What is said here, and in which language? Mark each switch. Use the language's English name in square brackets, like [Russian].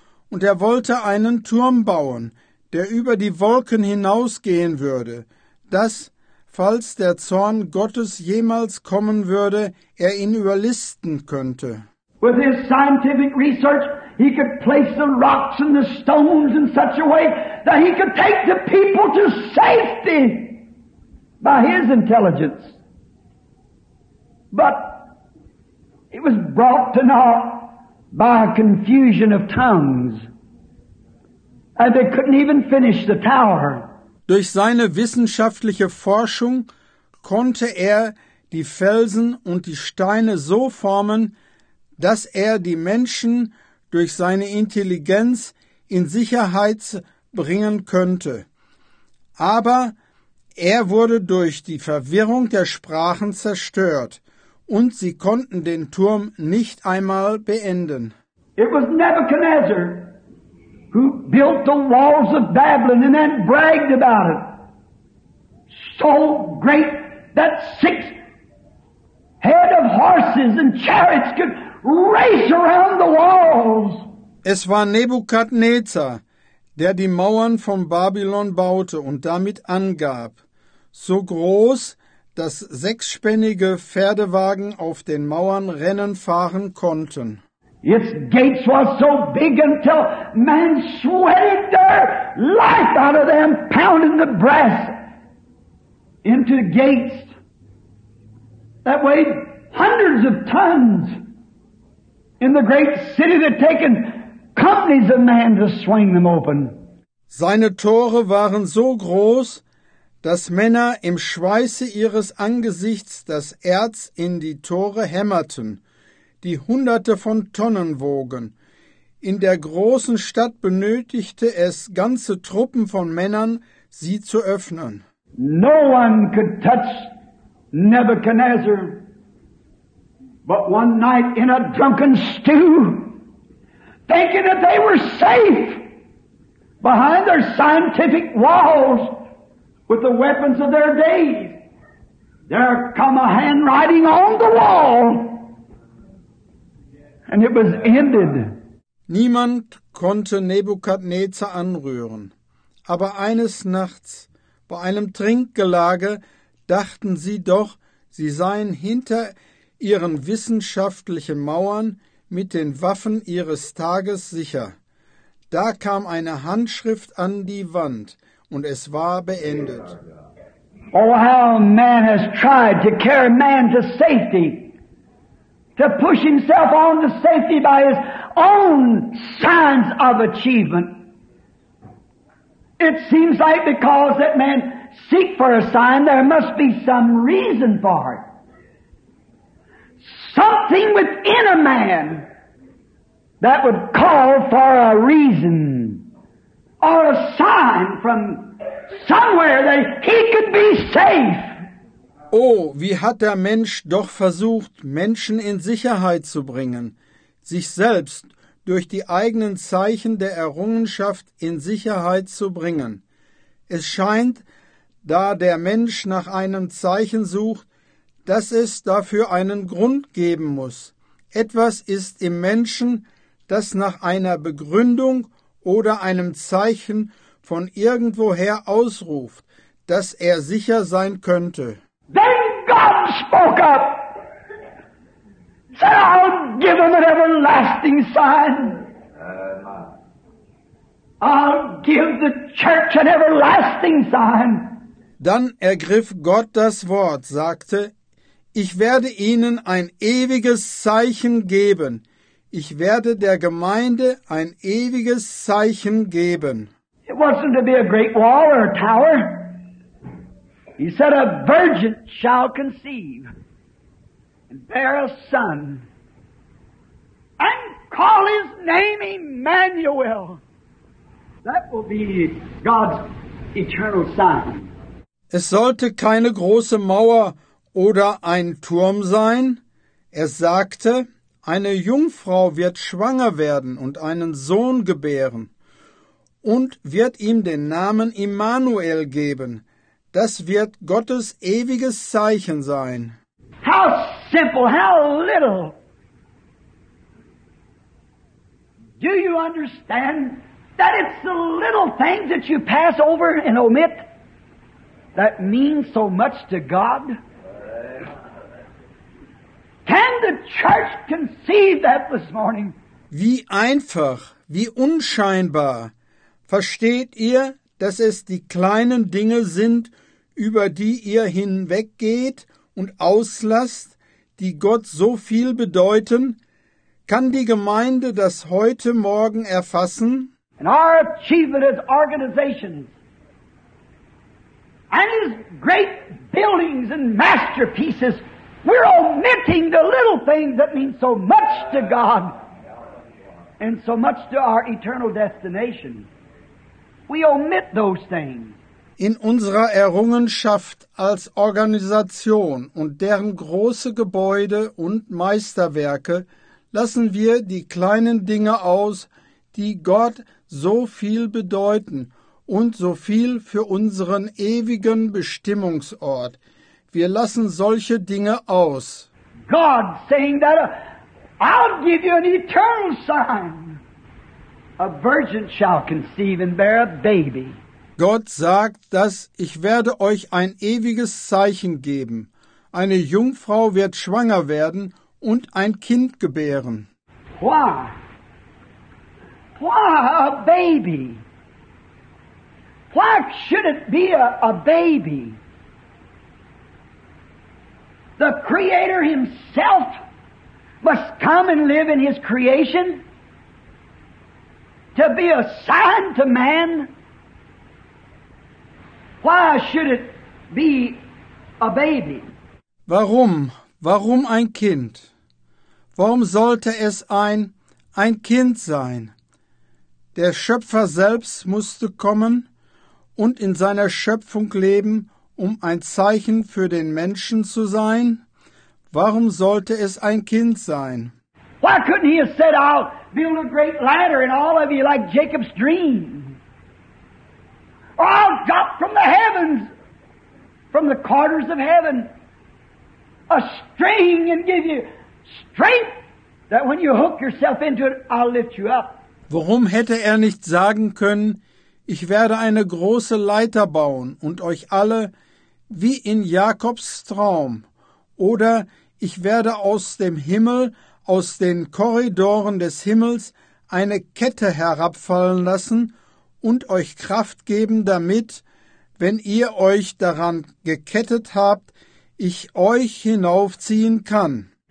[German] Und er wollte einen Turm bauen, der über die Wolken hinausgehen würde, dass, falls der Zorn Gottes jemals kommen würde, er ihn überlisten könnte. [English] With his scientific research, he could place the rocks and the stones in such a way that he could take the people to safety by his intelligence. But it was brought to naught by a confusion of tongues, and they couldn't even finish the tower. [German] Durch seine wissenschaftliche Forschung konnte er die Felsen und die Steine so formen, dass er die Menschen durch seine Intelligenz in Sicherheit bringen könnte. Aber er wurde durch die Verwirrung der Sprachen zerstört, und sie konnten den Turm nicht einmal beenden. [English] It was Nebuchadnezzar who built the walls of Babylon and then bragged about it. So great that 6 head of horses and chariots could race around the walls. [German] Es war Nebukadnezar, der die Mauern von Babylon baute und damit angab, so groß, dass 6-spännige Pferdewagen auf den Mauern Rennen fahren konnten. [English] Its gates were so big until men sweated their life out of them, pounding the brass into the gates that weighed hundreds of tons. In the great city that taken companies of men to swing them open. [German] Seine Tore waren so groß, dass Männer im Schweiße ihres Angesichts das Erz in die Tore hämmerten, die Hunderte von Tonnen wogen. In der großen Stadt benötigte es ganze Truppen von Männern, sie zu öffnen. [English] No one could touch Nebuchadnezzar. But one night in a drunken stew, thinking that they were safe behind their scientific walls with the weapons of their day, there come a handwriting on the wall, and it was ended. [German] Niemand konnte Nebukadnezar anrühren. Aber eines Nachts, bei einem Trinkgelage, dachten sie doch, sie seien hinter ihren wissenschaftlichen Mauern mit den Waffen ihres Tages sicher. Da kam eine Handschrift an die Wand, und es war beendet. [English] Oh, how man has tried to carry man to safety, to push himself on to safety by his own signs of achievement. It seems like because that man seek for a sign, there must be some reason for it. Something within a man that would call for a reason or a sign from somewhere that he could be safe. [German] Oh, wie hat der Mensch doch versucht, Menschen in Sicherheit zu bringen, sich selbst durch die eigenen Zeichen der Errungenschaft in Sicherheit zu bringen. Es scheint, da der Mensch nach einem Zeichen sucht, dass es dafür einen Grund geben muss. Etwas ist im Menschen, das nach einer Begründung oder einem Zeichen von irgendwoher ausruft, dass er sicher sein könnte. [English] Then God spoke up, said, I'll give him an everlasting sign. I'll give the church an everlasting sign. [German] Dann ergriff Gott das Wort, sagte, ich werde ihnen ein ewiges Zeichen geben. Ich werde der Gemeinde ein ewiges Zeichen geben. [English] It wasn't to be a great wall or a tower. He said, a virgin shall conceive and bear a son and call his name Emmanuel. That will be God's eternal sign. [German] Es sollte keine große Mauer oder ein Turm sein. Er sagte, eine Jungfrau wird schwanger werden und einen Sohn gebären und wird ihm den Namen Immanuel geben. Das wird Gottes ewiges Zeichen sein. [English] How simple, how little. Do you understand that it's the little things that you pass over and omit that means so much to God? Can the church conceive that this morning? [German] Wie einfach, wie unscheinbar. Versteht ihr, dass es die kleinen Dinge sind, über die ihr hinweggeht und auslasst, die Gott so viel bedeuten? Kann die Gemeinde das heute Morgen erfassen? [English] And our achievement is organizations. And his great buildings and masterpieces, we're omitting the little things that mean so much to God and so much to our eternal destination. We omit those things. [German] In unserer Errungenschaft als Organisation und deren große Gebäude und Meisterwerke lassen wir die kleinen Dinge aus, die Gott so viel bedeuten und so viel für unseren ewigen Bestimmungsort. Wir lassen solche Dinge aus. [English] God saying that I'll give you an eternal sign. A virgin shall conceive and bear a baby. [German] Gott sagt, dass ich werde euch ein ewiges Zeichen geben. Eine Jungfrau wird schwanger werden und ein Kind gebären. [English] Why? Why a baby? Why should it be a baby? The Creator himself must come and live in his creation to be a sign to man. Why should it be a baby? [German] Warum? Warum ein Kind? Warum sollte es ein Kind sein? Der Schöpfer selbst musste kommen und in seiner Schöpfung leben, um ein Zeichen für den Menschen zu sein. Warum sollte es ein Kind sein? [English] Why couldn't he have said, I'll build a great ladder in all of you like Jacob's dream? Or I'll drop from the heavens, from the quarters of heaven, a string and give you strength that when you hook yourself into it, I'll lift you up. [German] Warum hätte er nicht sagen können, ich werde eine große Leiter bauen und euch alle, wie in Jakobs Traum, oder ich werde aus dem Himmel, aus den Korridoren des Himmels, eine Kette herabfallen lassen und euch Kraft geben, damit, wenn ihr euch daran gekettet habt, ich euch hinaufziehen kann.